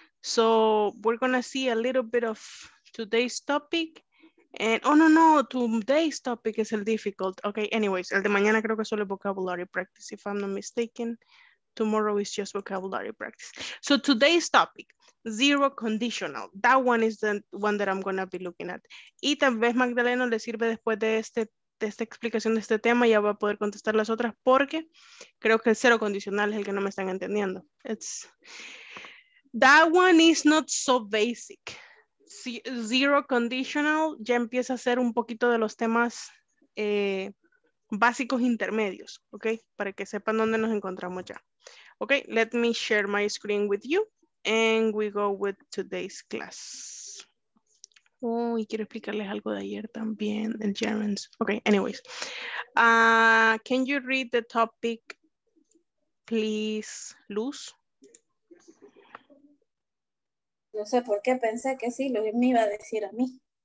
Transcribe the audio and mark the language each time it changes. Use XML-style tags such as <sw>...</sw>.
<en>So we're gonna see a little bit of today's topic. And, oh, no, no, today's topic is a difficult. Okay, anyways,</en> <es>el de mañana creo que solo</es> <en>vocabulary practice, if I'm not mistaken. Tomorrow is just vocabulary practice. So today's topic, zero conditional. That one is the one that I'm going to be looking at.</en> <es>Y tal vez Magdalena le sirve después de esta explicación de este tema, ya va a poder contestar las otras porque creo que el cero condicional es el que no me están entendiendo.</es> <en>That one is not so basic.</en> <es>Zero conditional ya empieza a ser un poquito de los temas básicos intermedios, ¿ok? Para que sepan dónde nos encontramos ya.</es> <en>Ok, let me share my screen with you and we go with today's class.</en> <es>Uy, quiero explicarles algo de ayer también, el Germans.</es> <en>Ok, anyways. Can you read the topic, please, Luz?</en> <es>No sé por qué pensé que sí, lo me iba a decir a mí.</es>